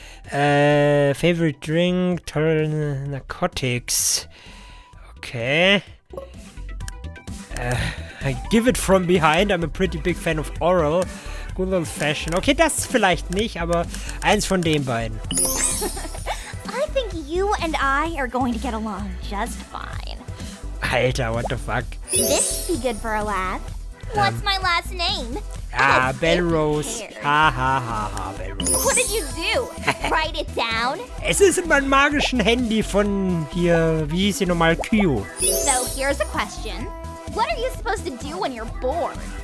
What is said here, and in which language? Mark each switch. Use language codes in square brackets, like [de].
[en] Favorite Drink, Total Narcotics. Okay. I give it from behind, I'm a pretty big fan of Oral. Good old fashion. [de] Okay, das vielleicht nicht, aber eins von den beiden. [en] I think you and I are going to get along just fine. Alter, what the fuck? This be good for a laugh. What's my last name? Ah, Belrose. Ha ha ha ha, Belrose. What did you do? Write it down? [de] Es ist in meinem magischen Handy von hier, wie hieß sie nochmal, Kyo. [en] So, here's a question. What are you supposed to do when you're bored?